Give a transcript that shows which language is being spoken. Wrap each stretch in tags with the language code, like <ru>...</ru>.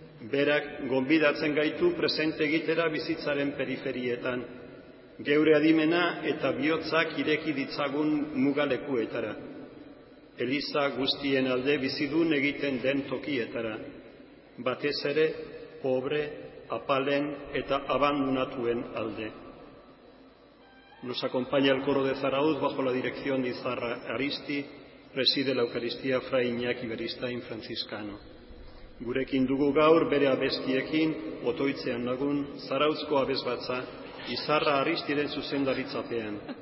<eu>Berak, gonbidatzen gaitu presente egitera bizitzaren periferietan, geure adimena eta bihotzak ireki ditzagun mugalekuetara, Eliza guztien alde bizidun egiten den tokietara, batez ere, pobre, apalen eta abandonatuen alde.</eu> <es>Nos acompaña el coro de Zarauz bajo la dirección de Izarra Aristi, preside la Eucaristía Fray Iñaki Beristain Franciscano.</es> <eu>Gurekin dugu gaur bere abestiekin, otoitzean lagun, Zarauzko abesbatza, Izarra Aristiren zuzendaritzapean.</eu>